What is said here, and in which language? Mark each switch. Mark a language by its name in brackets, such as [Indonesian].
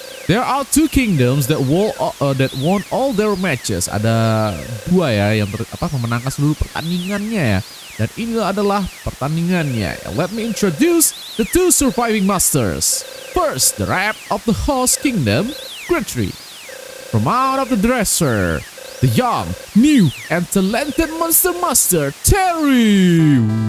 [English] There are two kingdoms that won all their matches. [Indonesian] Ada dua ya yang memenangkan seluruh pertandingannya ya. Dan ini adalah pertandingannya. [English] Let me introduce the two surviving masters. First, the rap of the host kingdom, Great Tree. From out of the dresser, the young, new, and talented monster master, Terry.